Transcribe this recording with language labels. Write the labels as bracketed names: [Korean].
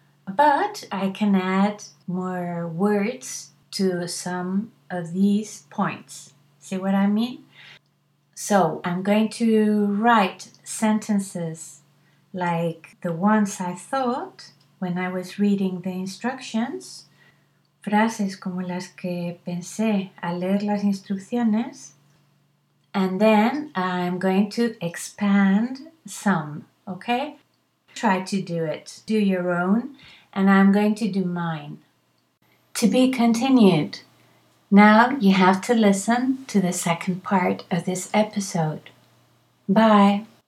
[English] But I can add more words to some of these points. See what I mean? So I'm going to write sentences like the ones I thought when I was reading the instructions. [Spanish] Frases como las que pensé al leer las instrucciones. [English] And then I'm going to expand some, okay? Try to do it. Do your own. And I'm going to do mine. To be continued. Now you have to listen to the second part of this episode. Bye.